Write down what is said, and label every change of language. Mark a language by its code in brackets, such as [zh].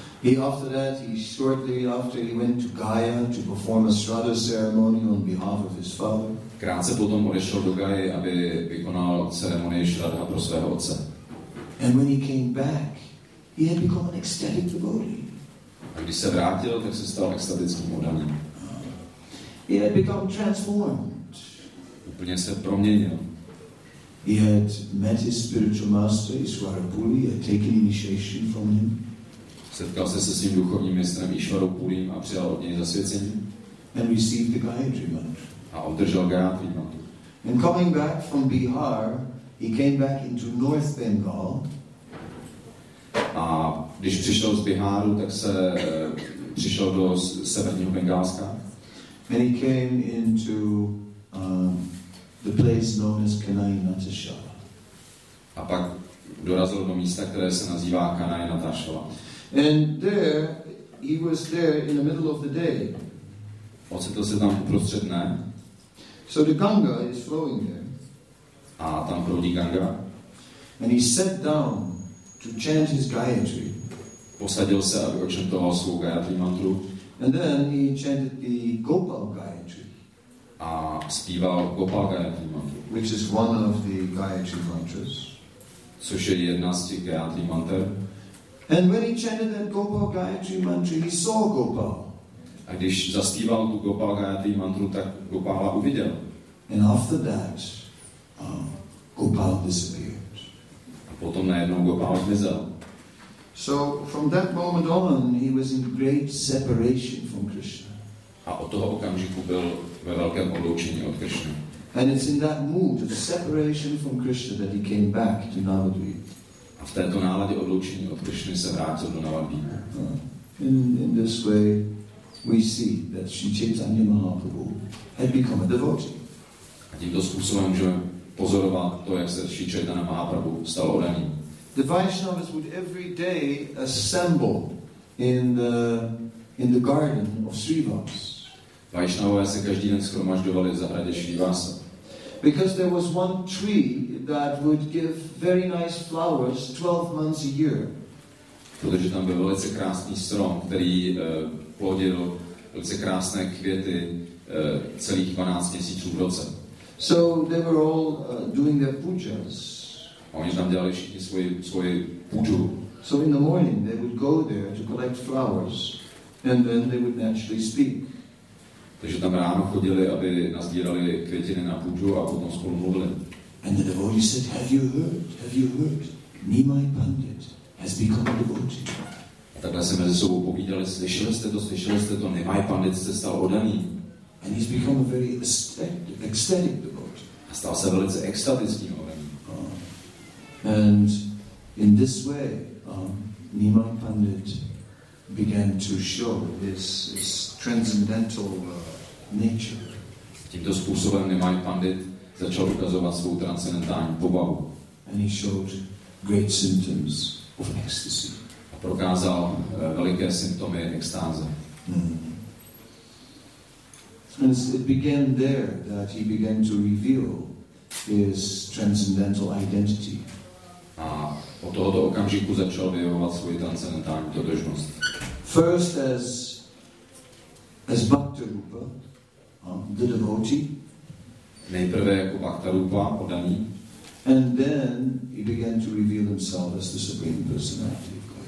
[en] He after that, he shortly after went to Gaya to perform a Shraddha ceremony on behalf of his father. [cs] Krátce potom odešel do Gaji, aby vykonal ceremonii Shraddha pro svého otce. [en] And when he came back, he had become an ecstatic devotee. [cs] A když se vrátil, tak se stal extatickým oddaným. [en] He had become transformed. [cs] Úplně se proměnil. [en] He had met his spiritual master, Iswarapuri, had taken initiation from him. [cs] Setkal se svým duchovním mistrem Ishvarapurim a přijal od něj zasvěcení. [en] and received the Gayatri Mantra. [cs] A obdržel Gayatri Mantra. [en] And coming back from Bihar, he came back into North Bengal. [cs] A když přišel z Biháru, tak se přišel do severního Bengálska. [en] And he came into the place known as Kanai Natashala. [cs] A pak dorazil do místa, které se nazývá Kanai Natashala. [en] And there, he was there in the middle of the day. [cs] Ocitl se tam uprostřed dne. [en] So the Ganga is flowing there. [cs] A tam proudí Ganga. [en] And he sat down to chant his Gayatri. [cs] Posadil se, aby odčetoval svou Gayatri mantru. [en] And then he chanted the Gopal Gayatri. [cs] A zpíval Gopal Gayatri mantru. [en] Which is one of the Gayatri mantras. [cs] Což je jedna z těch Gayatri mantr. [en] And when he chanted that Gopal Gayatri mantra, he saw Gopal. [cs] A když zaspíval tu Gopal Gayatri mantru, tak Gopala uviděl. [en] And after that, Gopal disappeared. [cs] A potom najednou Gopal zmizel. [en] So from that moment on, he was in great separation from Krishna. [cs] A od toho okamžiku byl ve velkém odloučení od Krishna. [en] And it's in that mood of separation from Krishna that he came back to Navadvipa. [cs] A v této náladě odloučení od Krishny se vrátil do Navadvipa. [en] In this way, we see that Sri Chaitanya Mahaprabhu had become a devotee. [cs] A tímto způsobem můžeme pozorovat to, jak se Sri Chaitanya Mahaprabhu stalo oraním. [en] The Vaishnavas would every day assemble in the garden of Srivas. [cs] Vaishnavové se každý den shromažďovali v zahradě Srivasa. [en] Because there was one tree that would give very nice flowers 12 months a year. [cs] Protože tam byl velice krásný strom, který plodil velice krásné květy celých 12 měsíců v roce. [en] So they were all doing their pujas. [cs] A oni tam dělali všichni svoji pudu. [en] So in the morning they would go there to collect flowers and then they would naturally speak. [cs] Takže tam ráno chodili, aby nazbírali květiny na pudu a potom spolu mluvili. [en] And the devotee said, have you heard? Nimai Pandit has become a devotee. [cs] A takhle se mezi sobou povídali, slyšeli jste to, Nimai Pandit se stal oddaný. [en] And he's become a very ecstatic devotee. [cs] A stal se velice extatickým. [en] And in this way, Nimai Pandit began to show his transcendental nature. [cs] Tímto způsobem Nimai Pandit začal ukazovat svou transcendentální povahu. [en] And he showed great symptoms of ecstasy. [cs] A prokázal veliké symptomy extáze. [en] And it began there that he began to reveal his transcendental identity. [cs] A od tohoto okamžiku začal vyjevovat svoji transcendentální totožnost. [en] First as Bhakta Rupa, the devotee. [cs] Nejprve jako Bhakta Rupa, podaný. [en] And then he began to reveal himself as the supreme personality.